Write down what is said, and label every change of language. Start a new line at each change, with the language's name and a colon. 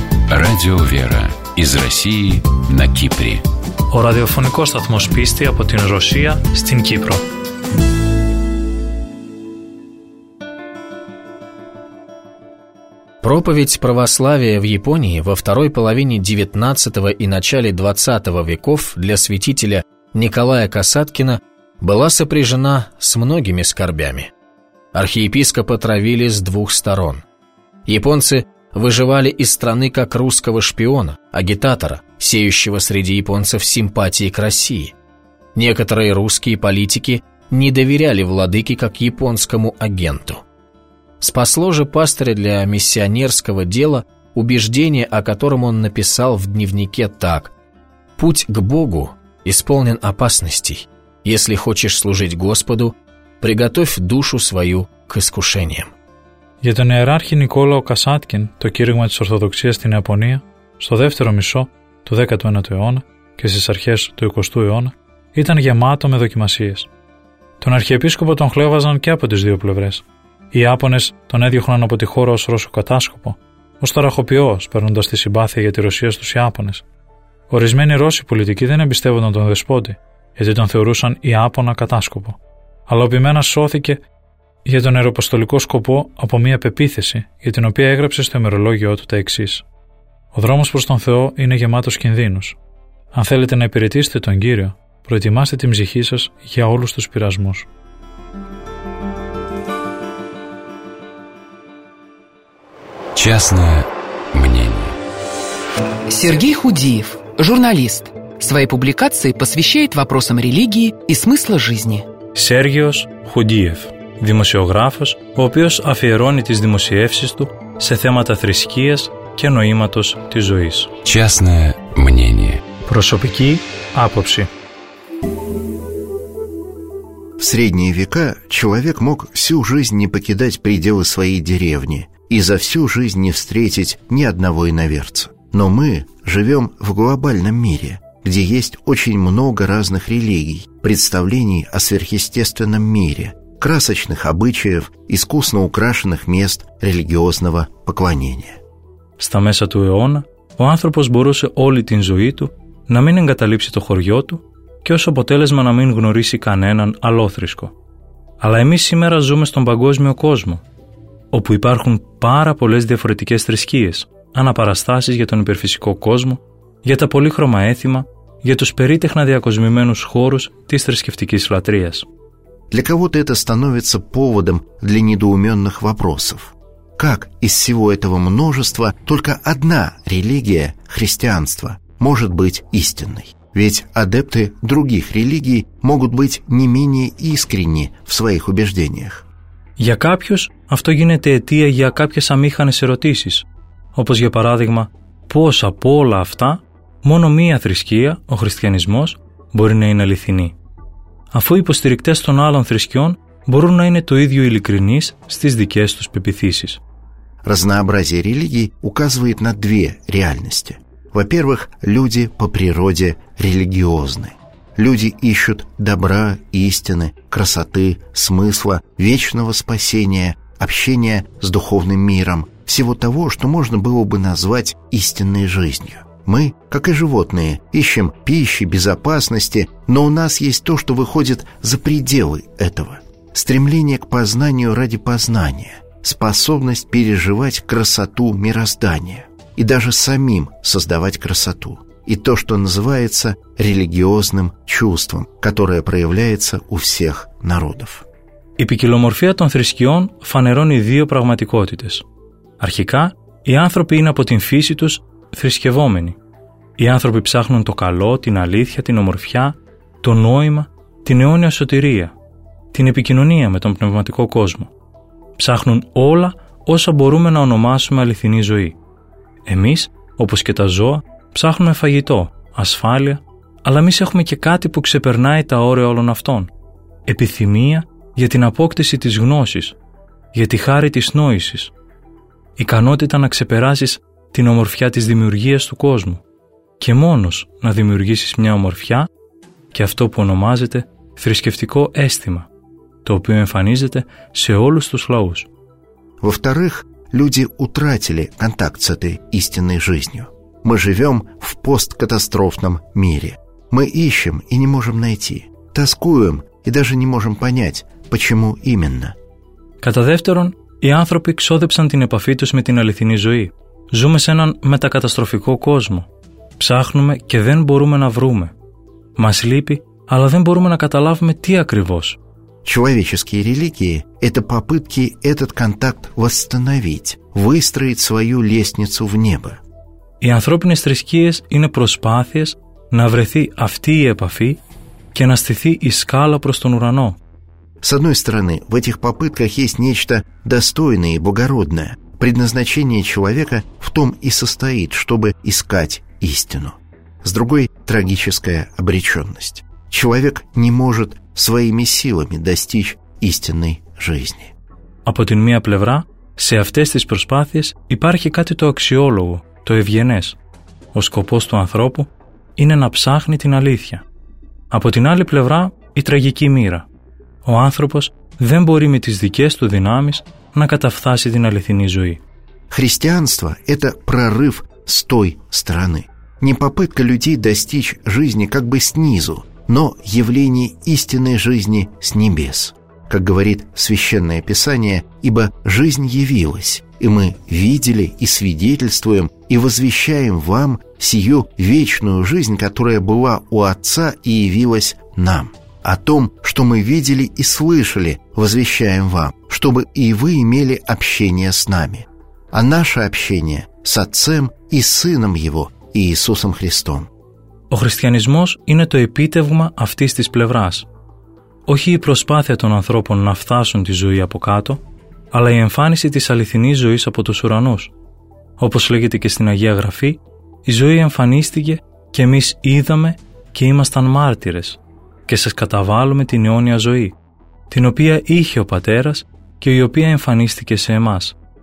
Russian: Radio Vera из России на Кипре.
Greek: Ο ραδιοφωνικός σταθμός πίστη από την Ρωσία στην Κύπρο.
Russian: Проповедь православия в Японии во второй половине XIX и начале XX веков для святителя Николая Касаткина была сопряжена с многими скорбями. Архиепископа травили с двух сторон. Японцы выживали из страны как русского шпиона, агитатора, сеющего среди японцев симпатии к России. Некоторые русские политики не доверяли владыке как японскому агенту. Спасло же пастыря для миссионерского дела убеждение, о котором он написал в дневнике так: «Путь к Богу исполнен опасностей. Если хочешь служить Господу, приготовь душу свою к искушениям».
Greek: Για τον ιεράρχη Νικόλαο Κασάτκιν, το κήρυγμα της Ορθοδοξίας στην Ιαπωνία, στο δεύτερο μισό του 19ου αιώνα και στις αρχές του 20ου αιώνα, ήταν γεμάτο με δοκιμασίες. Τον αρχιεπίσκοπο τον χλέβαζαν και από τις δύο πλευρές. Οι Ιάπωνες τον έδιωχναν από τη χώρα ως Ρώσο κατάσκοπο, ως ταραχοποιός, παίρνοντας τη συμπάθεια για τη Ρωσία στους Ιάπωνες. Ορισμένοι Ρώσοι πολιτικοί δεν εμπιστεύονταν τον δεσπότη, γιατί τον θεωρούσαν Ιάπωνα κατάσκοπο. Αλλά ο ποιμένας σώθηκε για τον αεροποστολικό σκοπό από μια πεποίθηση, για την οποία έγραψε στο ημερολόγιο του τα εξής: «Ο δρόμος προς τον Θεό είναι γεμάτος κινδύνους. Αν θέλετε να υπηρετήσετε τον Κύριο, προετοιμάστε την ψυχή σας για όλους τους πειρασμούς».
Russian: Частное мнение. Сергей Худиев, журналист. Свои публикации посвящает вопросам религии и смысла жизни.
Greek: Сергиос Худиев, δημοσιογράφος, ο οποίος αφιερώνει τις δημοσιεύσεις του σε θέματα θρησκείας και νοήματος της ζωής.
Russian: Частное мнение.
Greek: Προσωπική άποψη.
Russian: В средние века человек мог всю жизнь не покидать пределы своей деревни и за всю жизнь не встретить ни одного иноверца. Но мы живем в глобальном мире, где есть очень много разных религий, представлений о сверхъестественном мире, красочных обычаев, искусно украшенных мест религиозного поклонения.
Greek: Στα μέσα του αιώνα, ο άνθρωπος μπορούσε όλη την ζωή του να μην εγκαταλείψει το χωριό του και ως αποτέλεσμα να μην γνωρίσει κανέναν αλόθρισκο. Αλλά εμείς σήμερα ζούμε στον παγκόσμιο κόσμο, όπου υπάρχουν πάρα πολλές διαφορετικές θρησκείες, αναπαραστάσεις για τον υπερφυσικό κόσμο, για τα πολύχρωμα έθιμα, για τους περίτεχνα διακοσμημένους χώρους της θρησκευτικής λατρείας.
Russian: Для кого-то это становится поводом для недоуменных вопросов. Как из всего этого множества только одна религия, христианство, может быть истинной? Ведь адепты других религий могут быть не менее искренни в своих убеждениях.
Greek: Για κάποιους αυτό γίνεται αιτία για κάποιες αμήχανες ερωτήσεις, όπως για παράδειγμα, πώς από όλα αυτά μόνο μία θρησκεία, ο χριστιανισμός, μπορεί να είναι αληθινή, αφού οι υποστηρικτές των άλλων θρησκειών μπορούν να είναι το ίδιο ειλικρινείς στις δικές τους πεποιθήσεις.
Russian: Разнообразие религий указывает на две реальности. Во-первых, люди по природе религиозны. Люди ищут добра, истины, красоты, смысла, вечного спасения, общения с духовным миром, всего того, что можно было бы назвать истинной жизнью. Мы, как и животные, ищем пищи, безопасности, но у нас есть то, что выходит за пределы этого. Стремление к познанию ради познания, способность переживать красоту мироздания и даже самим создавать красоту. И то, что называется религиозным чувством, которое проявляется у всех народов.
Greek: Η ποικιλομορφία των θρησκειών φανερώνει δύο πραγματικότητες. Αρχικά, οι άνθρωποι είναι από την φύση τους θρησκευόμενοι. Οι άνθρωποι ψάχνουν το καλό, την αλήθεια, την ομορφιά, το νόημα, την αιώνια σωτηρία, την επικοινωνία με τον πνευματικό κόσμο. Ψάχνουν όλα όσα μπορούμε να ονομάσουμε αληθινή ζωή. Εμείς, όπως και τα ζώα, ψάχνουμε φαγητό, ασφάλεια, αλλά εμείς έχουμε και κάτι που ξεπερνάει τα όρια όλων αυτών. Επιθυμία για την απόκτηση της γνώσης, για τη χάρη της νόησης. Ικανότητα να ξεπεράσεις την ομορφιά της δημιουργίας του κόσμου και μόνος να δημιουργήσεις μια ομορφιά και αυτό που ονομάζεται θρησκευτικό αίσθημα, το οποίο εμφανίζεται σε όλους τους λαούς.
Russian: Во-вторых, люди утратили контакт с этой истинной жизнью. Мы живем в посткатастрофном мире. Мы ищем и не можем найти. Тоскуем и даже не можем понять, почему именно.
Greek: Κατά δεύτερον, οι άνθρωποι ξόδεψαν την επαφή τους με την αληθινή ζωή. Ζούμε σε έναν μετακαταστροφικό κόσμο. Ψάχνουμε και δεν μπορούμε να βρούμε. Μας λείπει, αλλά δεν μπορούμε να καταλάβουμε τι ακριβώς.
Russian: Человеческие религии – это попытки этот контакт восстановить, выстроить свою лестницу в небо.
Greek: Οι ανθρώπινες θρησκείες είναι προσπάθειες να βρεθεί αυτή η επαφή και να στηθεί η σκάλα προς τον ουρανό.
Russian: С одной стороны, в этих попытках есть нечто достойное и благородное. Предназначение человека в том и состоит, чтобы искать истину. С другой – трагическая обреченность. Человек не может своими силами достичь истинной жизни.
Greek: Από την μία πλευρά, σε αυτές τις προσπάθειες υπάρχει κάτι το αξιόλογο, το ευγενές. Ο σκοπός του ανθρώπου είναι να ψάχνει την αλήθεια. Από την άλλη πλευρά, η τραγική μοίρα. Ο άνθρωπος δεν μπορεί με τις δικές του δυνάμεις να καταφθάσει την αληθινή ζωή.
Russian: Христианство – это прорыв с той стороны. Не попытка людей достичь жизни как бы снизу, но явление истинной жизни с небес. Как говорит Священное Писание, ибо жизнь явилась, и мы видели и свидетельствуем, и возвещаем вам сию вечную жизнь, которая была у Отца и явилась нам. О том, что мы видели и слышали, возвещаем вам, чтобы и вы имели общение с нами. А наше общение с Отцем и Сыном Его, Иисусом Христом.
Greek: Ο χριστιανισμός είναι το επίτευγμα αυτής της πλευράς. Όχι η προσπάθεια των ανθρώπων να φτάσουν τη ζωή από κάτω, αλλά η εμφάνιση της αληθινής ζωής από τους ουρανούς. Όπως λέγεται και στην Αγία Γραφή, η ζωή εμφανίστηκε και εμείς είδαμε και ήμασταν μάρτυρες και σας καταβάλουμε την αιώνια ζωή, την οποία είχε ο Πατέρας και η οποία εμφανίστηκε σε εμάς.